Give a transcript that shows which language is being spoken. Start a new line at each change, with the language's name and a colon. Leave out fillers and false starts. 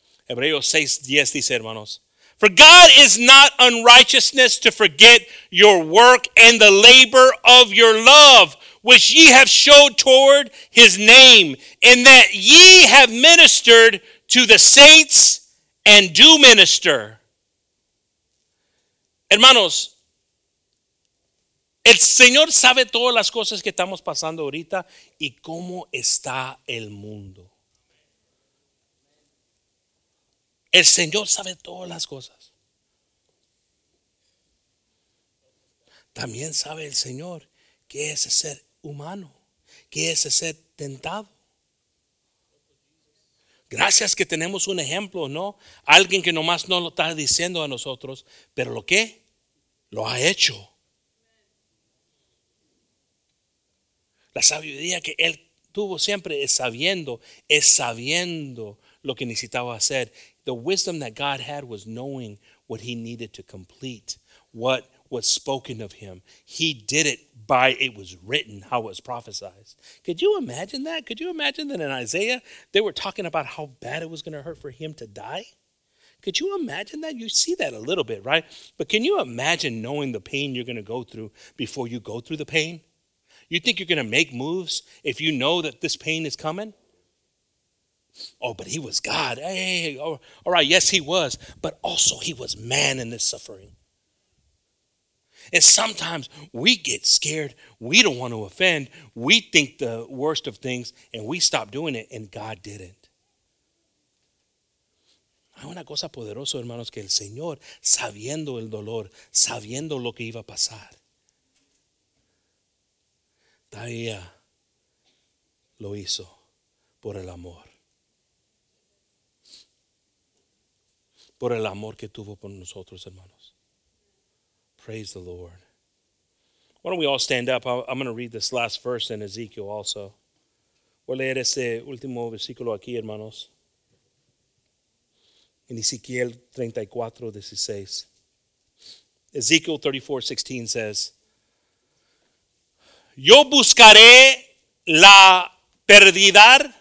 Spanish: Hebreos 6:10 dice, hermanos.
English: For God is not unrighteousness to forget your work and the labor of your love, which ye have showed toward his name, in that ye have ministered to the saints and do minister.
Spanish: Hermanos, el Señor sabe todas las cosas que estamos pasando ahorita y cómo está el mundo. El Señor sabe todas las cosas. También sabe el Señor que es ser humano, que es ser tentado. Gracias que tenemos un ejemplo, ¿no? Alguien que nomás no lo está diciendo a nosotros, pero lo que lo ha hecho. La sabiduría que él tuvo siempre es sabiendo lo que necesitaba hacer.
English: The wisdom that God had was knowing what he needed to complete, what was spoken of him. He did it by it was written, how it was prophesied. Could you imagine that? Could you imagine that in Isaiah, they were talking about how bad it was going to hurt for him to die? Could you imagine that? You see that a little bit, right? But can you imagine knowing the pain you're going to go through before you go through the pain? You think you're going to make moves if you know that this pain is coming? Oh, but he was God. Hey, all right, yes, he was. But also he was man in this suffering. And sometimes we get scared. We don't want to offend. We think the worst of things, and we stop doing it, and God didn't.
Spanish: Hay una cosa poderosa, hermanos, que el Señor, sabiendo el dolor, sabiendo lo que iba a pasar, todavía lo hizo por el amor. Por el amor que tuvo por nosotros, hermanos.
English: Praise the Lord. Why don't we all stand up? I'm going to read this last verse in Ezekiel also.
Spanish: Voy a leer ese último versículo aquí, hermanos. En Ezekiel 34, 16.
English: Ezekiel 34, 16 says,
Spanish: yo buscaré la perdida.